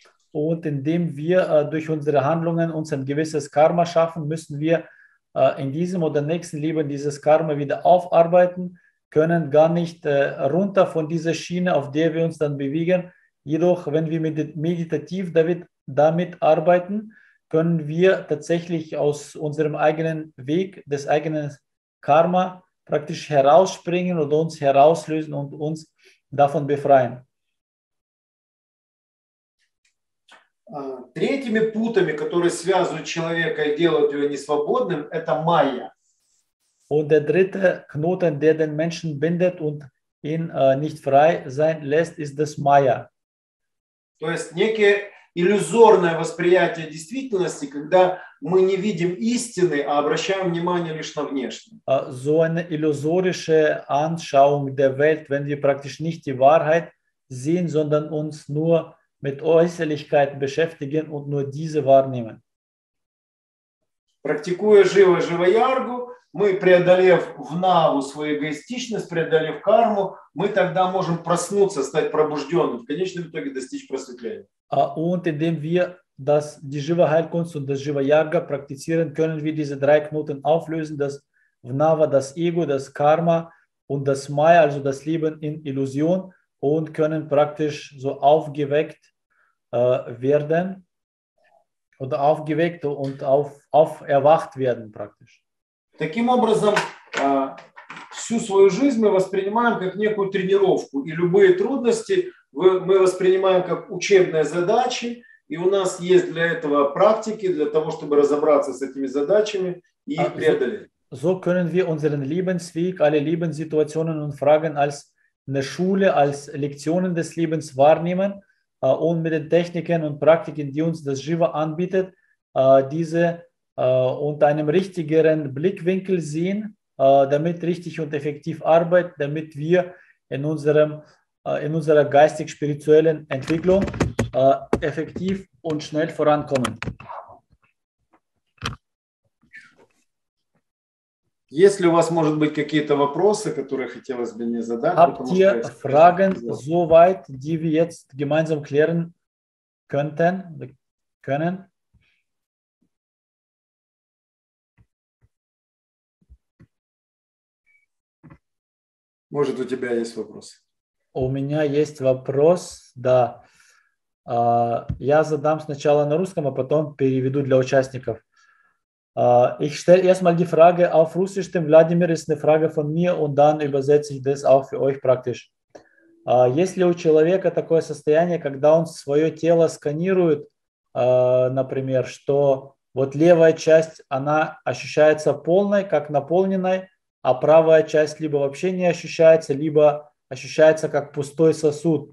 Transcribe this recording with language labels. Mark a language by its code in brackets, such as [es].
[de] Und indem wir durch unsere Handlungen uns ein gewisses Karma schaffen, müssen wir in diesem oder nächsten Leben dieses Karma wieder aufarbeiten, können gar nicht runter von dieser Schiene, auf der wir uns dann bewegen. Jedoch, wenn wir meditativ damit arbeiten, können wir tatsächlich aus unserem eigenen Weg, des eigenen Karma praktisch herausspringen oder uns herauslösen und uns davon befreien. [ru] Третьими путами, которые связывают человека и делают его несвободным, это майя. [de] Und der dritte Knoten, der den Menschen bindet und ihn nicht frei sein lässt, ist das Майя. [ru] То есть некое иллюзорное восприятие действительности, когда мы не видим истины, а обращаем внимание лишь на внешнее. [de] So eine illusorische Anschauung der Welt, wenn wir praktisch nicht die Wahrheit sehen, sondern uns nur mit Äußerlichkeiten beschäftigen und nur diese wahrnehmen. [ru] Практикуя живо-живо-яргу, мы, преодолев внаву свою эгоистичность, преодолев карму, мы тогда можем проснуться, стать пробужденным, в конечном итоге достичь просветления. [de] Und indem wir das, die Jiva-Heilkunst und das Jiva-Yarga praktizieren, können wir diese drei Knoten auflösen, das Vnava, das Ego, das Karma und das Maya, also das Leben in Illusion, und können praktisch so aufgeweckt werden oder aufgeweckt und auferwacht werden praktisch. [ru] Таким образом, всю свою жизнь мы воспринимаем как некую тренировку, и любые трудности мы воспринимаем как учебные задачи, и у нас есть для этого практики, для того, чтобы разобраться с этими задачами и их преодолеть. [de] So können wir unseren Lebensweg, alle Lebenssituationen und Fragen als eine Schule, als Lektionen des Lebens wahrnehmen und mit den Techniken und Praktiken, die uns das Jiva anbietet, diese unter einem richtigeren Blickwinkel sehen, damit richtig und effektiv arbeiten, damit wir in unserer geistig-spirituellen Entwicklung effektiv und schnell vorankommen. [ru] Если у вас, может быть, какие-то вопросы, которые хотелось бы мне задать? [de] Habt ihr Fragen soweit, die wir jetzt gemeinsam klären könnten, können? [ru] Может, у тебя есть вопрос? У меня есть вопрос, да. Я задам сначала на русском, а потом переведу для участников. [de] Ich stelle erstmal die Frage auf Russisch, dem Wladimir, ist eine Frage von mir und dann übersetze ich das auch für euch praktisch. [ru] Если у человека такое состояние, когда он свое тело сканирует, например, что вот левая часть, она ощущается полной, как наполненной, а правая часть либо вообще не ощущается, либо ощущается как пустой сосуд.